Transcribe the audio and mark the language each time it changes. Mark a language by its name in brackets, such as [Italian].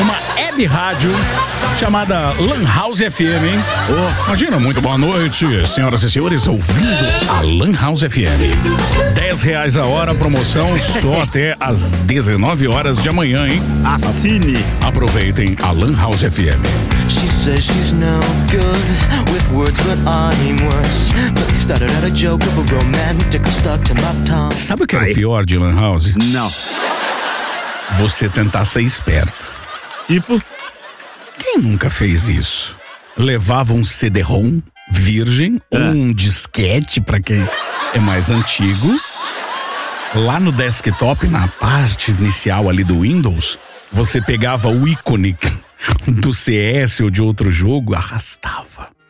[Portuguese] Uma web rádio chamada Lan House FM, hein? Oh. Imagina, muito boa noite, senhoras e senhores, ouvindo a Lan House FM. R$10 a hora, promoção só até às 19 horas de amanhã, hein? Assine. Aproveitem a Lan House FM. [English] She says she's no good with words, but I'm worse. But started out a joke of a romantic stuck to my tongue. [Portuguese] Sabe o que era o pior de Lan House? Não. Você tentar ser esperto. Tipo? Quem nunca fez isso? Levava um CD-ROM virgem ou um disquete pra quem é mais antigo. Lá no desktop, na parte inicial ali do Windows, você pegava o ícone do CS ou de outro jogo, arrastava.